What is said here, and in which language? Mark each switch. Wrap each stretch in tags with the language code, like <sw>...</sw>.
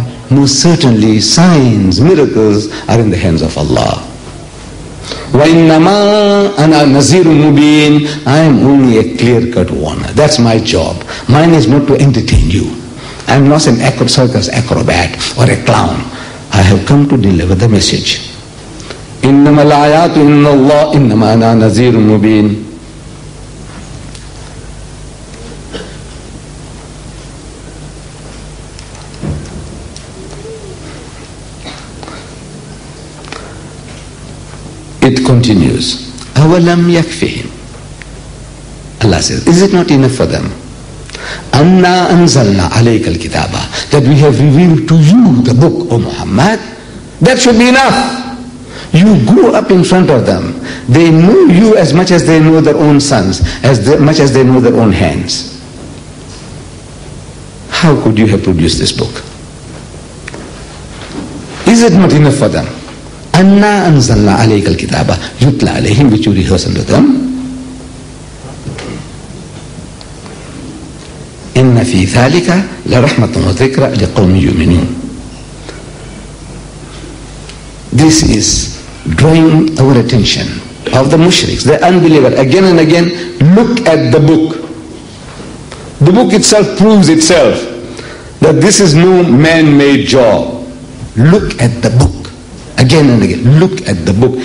<en>Most certainly, signs, miracles are in the hands of Allah.</en> <ar>وَإِنَّمَا أَنَا نَزِيرٌ مُبِينٌ.</ar> <en>I am only a clear-cut warner. That's my job. Mine is not to entertain you. I am not an circus acrobat or a clown. I have come to deliver the message.</en> <ar>إِنَّمَا الْآيَاتُ إِنَّ اللَّهِ إِنَّمَا أَنَا نَزِيرٌ مُبِينٌ.</ar> <en>It continues.</en> <ar>أَوَلَمْ يَكْفِهِمْ.</ar> <en>Allah says, is it not enough for them?</en> <ar>أَنَّا أَنزَلْنَا عَلَيْكَ الْكِتَابَ.</ar> <en>That we have revealed to you the book, O Muhammad. That should be enough. You grow up in front of them. They know you as much as they know their own sons, as much as they know their own hands. How could you have produced this book? Is it not enough for them?</en> <ar>أنا أنزلنا عليك الكتاب يتلى عليهم</ar> <en>which you rehearse unto them.</en> <ar>إن في ذلك لرحمة وذكرى لقوم يؤمنون.</ar> <en>This is drawing our attention of the mushriks, the unbeliever. Again and again, look at the book. The book itself proves itself that this is no man-made job. Look at the book. Again and again, look at the book.</en>